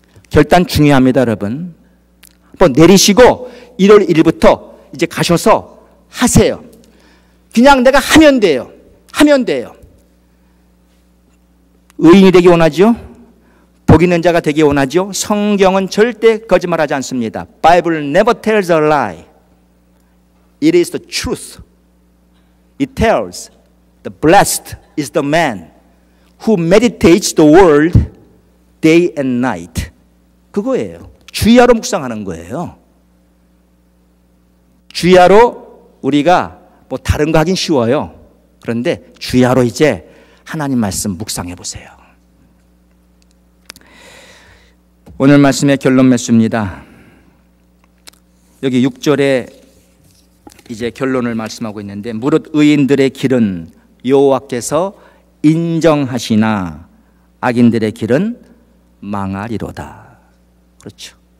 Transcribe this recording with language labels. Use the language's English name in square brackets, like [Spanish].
[Korean] 결단 중요합니다, 여러분. 한번 내리시고 1월 1일부터 이제 가셔서 하세요. 그냥 내가 하면 돼요. 하면 돼요. 의인이 되기 원하죠? 복 있는 자가 되기 원하죠? 성경은 절대 거짓말하지 않습니다. [English] Bible never tells a lie. It is the truth. It tells the blessed is the man who meditates the word day and night. [Korean] 그거예요. 주야로 묵상하는 거예요. 주야로 우리가 뭐 다른 거 하긴 쉬워요. 그런데 주야로 이제 하나님 말씀 묵상해 보세요. 오늘 말씀의 결론 맺습니다. 여기 6절에 이제 결론을 말씀하고 있는데, 무릇 의인들의 길은 여호와께서 인정하시나 악인들의 길은 망하리로다. 그렇죠.